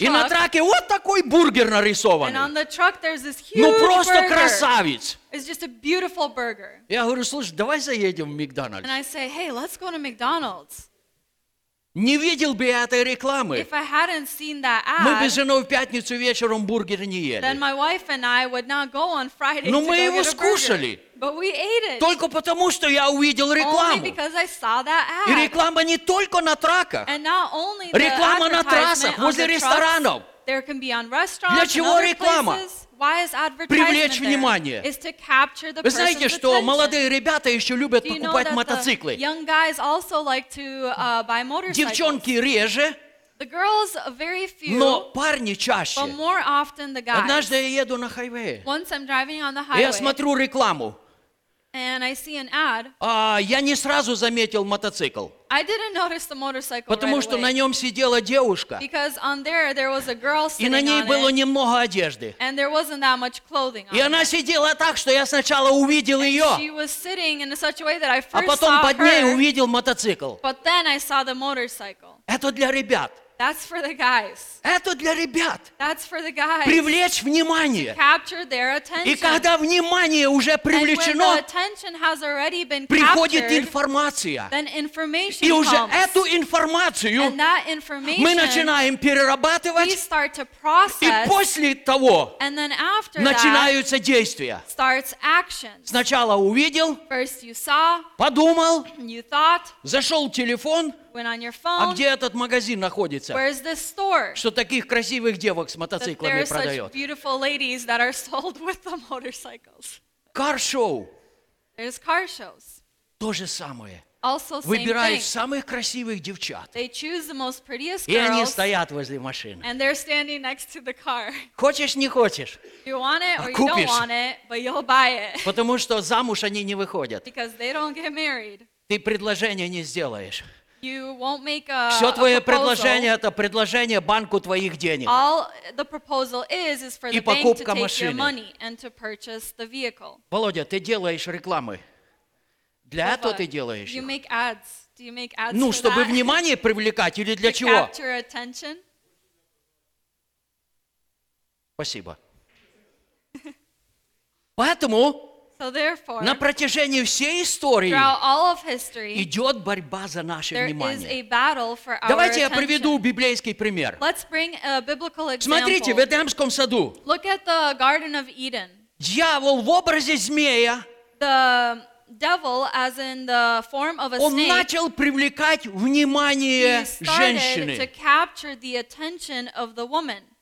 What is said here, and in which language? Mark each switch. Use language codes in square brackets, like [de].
[ru] и на траке вот такой бургер нарисованный. [en] And on the truck there's this huge [ru] ну просто [en] burger. [ru] Красавец. [en] It's just a beautiful burger. [ru] Я говорю, слушай, давай заедем в Макдональдс. [en] And I say, hey, let's go to McDonald's. [ru] Не видел бы я этой рекламы. [en] If I hadn't seen that ad, [ru] мы бы с женой в пятницу вечером бургер не ели. [en] Then my wife and I would not go on Friday [ru] Но [en] to [ru] мы [en] go [ru] его [en] get a [ru] скушали. [en] Burger. But we ate it. [ru] Только потому, что я увидел рекламу. [en] Only because I saw that ad. [ru] И реклама не только на траках. [en] And not only the [ru] реклама на трассах, возле ресторанов. [en] There can be on restaurants [ru] Для чего реклама? [en] Places. Why is advertisement [ru] привлечь внимание. [en] There? Is to capture the [ru] Вы знаете, что [en] attention. [ru] Молодые ребята еще любят покупать мотоциклы? [en] Young guys also like to, buy motorcycles. [ru] Девчонки реже, [en] the girls very few, [ru] но парни чаще. [en] But more often the guys. [ru] Однажды я еду на хайвее, [en] Once I'm driving on the highway, [ru] я смотрю рекламу, [en] and I see an ad, [ru] я не сразу заметил мотоцикл. [en] I didn't notice the motorcycle. [ru] Потому [en] right [ru] что [en] away. [ru] На нем сидела девушка. [en] Because on there there was a girl sitting. [ru] И на ней [en] on [ru] было [en] it, [ru] немного одежды. [en] And there wasn't that much clothing. [ru] И [en] on [ru] она [en] it. [ru] Сидела так, что я сначала увидел [en] and [ru] ее. [en] She was sitting in such a way that I first saw her. [ru] А потом под ней увидел мотоцикл. [en] But then I saw the motorcycle. [ru] Это для ребят. [en] That's for the guys. [ru] Это для ребят. [en] That's for the guys. [ru] Привлечь внимание. [en] To capture their attention. [ru] И когда внимание уже привлечено, [en] and when the attention has already been captured, [ru] приходит информация. [en] Then information [ru] и уже [en] comes. [ru] Эту информацию [en] and that information, [ru] мы начинаем перерабатывать. [en] We start to process, [ru] и после того [en] and then after [ru] начинаются [en] that, [ru] действия. [en] Starts action. [ru] Сначала увидел. [en] First you saw, [ru] подумал. [en] You thought, [ru] зашел в телефон. [en] Went on your phone. [ru] А где этот магазин находится? [en] Where is this store? [ru] Что таких красивых девок с мотоциклами [en] that [ru] продает? [en] There are such beautiful ladies that are sold with the motorcycles. Car show. There's car shows. [ru] То же самое. [en] Also same [ru] выбирают [en] thing. [ru] Самых красивых девчат. [en] They choose the most prettiest girls. [ru] И они стоят возле машины. [en] And they're standing next to the car. [ru] Хочешь, не хочешь. [en] You want it or [ru] а купишь. [en] You don't want it, but you'll buy it. [ru] Потому что замуж они не выходят. [en] Because they don't get married. [ru] Ты предложение не сделаешь. [en] You won't make a, [ru] все твое [en] a [ru] предложение это предложение банку твоих денег. [en] All the proposal is for [ru] и [en] the bank to take [ru] машины. [en] Your money and to purchase the vehicle. [ru] Володя, ты делаешь рекламы. Для этого ты делаешь. [en] You make ads. Do you make ads? [ru] Ну, [en] for [ru] чтобы [en] that? [ru] Внимание привлекать или для [en] to [ru] чего? [en] Capture attention. [ru] Спасибо. Поэтому. [en] So therefore, [ru] на протяжении всей истории [en] all of history, [ru] идет борьба за наше [en] there [ru] внимание. [en] Is a battle for our [ru] давайте [en] attention. [ru] Я приведу библейский пример. [en] Let's bring a biblical example. [ru] Смотрите, в Эдемском саду [en] look at the Garden of Eden. [ru] Дьявол в образе змея [en] the devil, as in the form of a [ru] он [en] snake, [ru] начал привлекать внимание женщины. [en] He started to capture the attention of the woman.